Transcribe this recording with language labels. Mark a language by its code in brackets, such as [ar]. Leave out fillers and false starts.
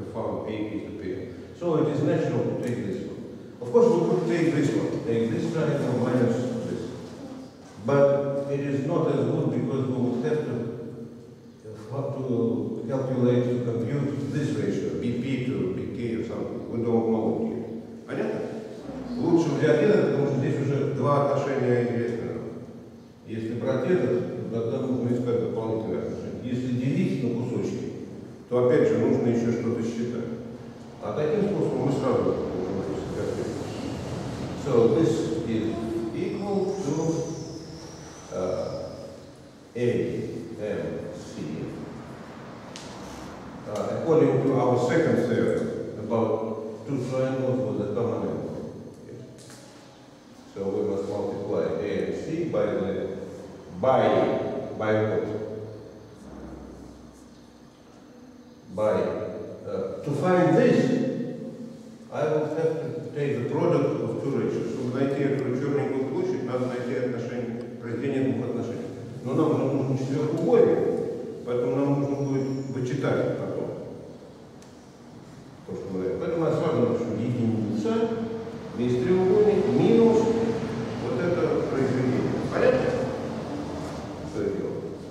[en] We have found AP to PL. So it is natural to take this one. Of course, we could take this one, take this triangle minus this. But it is not as good because we would have to compute this ratio, BP to BK or something. We don't know it yet. [ru] Понятно? Лучше взять этот, потому что здесь уже два отношения известны. Если брать этот, тогда нужно искать дополнительные отношения. Если делить на кусочки, то опять же нужно еще что-то считать. А таким способом мы сразу можем это сделать. [en] So this is equal to AMC. According to our second theorem about two triangles with a common angle. Yes. So we must multiply A and C by what? To find this, I will have to take the product of two ratios. [ru] Чтобы найти эту черненькую площадь, надо найти отношение, произведение двух отношений. Но нам нужно четырехугольник, поэтому нам нужно будет вычитать потом. Поэтому я сразу напишу единица, весь треугольник, минус вот это произведение. Понятно? Что я делаю?